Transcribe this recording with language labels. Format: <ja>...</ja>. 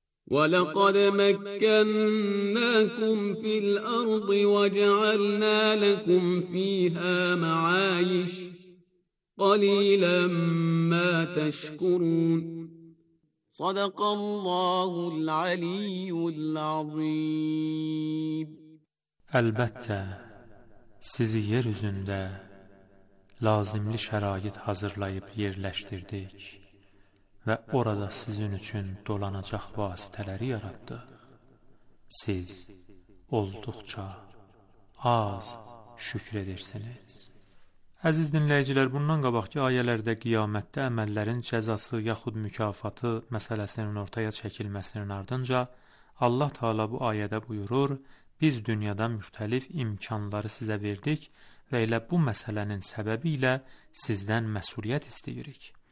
<ar>وَلَقَدْ مَكَّنَّاكُمْ فِي الْأَرْضِ وَجَعَلْنَا لَكُمْ فِيهَا مَعَايِشَ قَلِيلًا مَا تَشْكُرُونَ صَدَقَ اللَّهُ الْعَلِيُّ الْعَظِيمُ</ar> <az>Əlbəttə, sizi yeryüzündə lazımlı şərait hazırlayıb yerləşdirdik. Və orada sizin üçün dolanacaq vasitələri yaratdıq. Siz olduqca az şükür edirsiniz. Əziz dinləyicilər, bundan qabaqki ayələrdə qiyamətdə əməllərin cəzası yaxud mükafatı məsələsinin ortaya çəkilməsinin ardınca Allah Taala bu ayədə buyurur: "Biz dünyada müxtəlif imkanları sizə verdik və elə bu məsələnin səbəbi ilə sizdən məsuliyyət istəyirik.</az>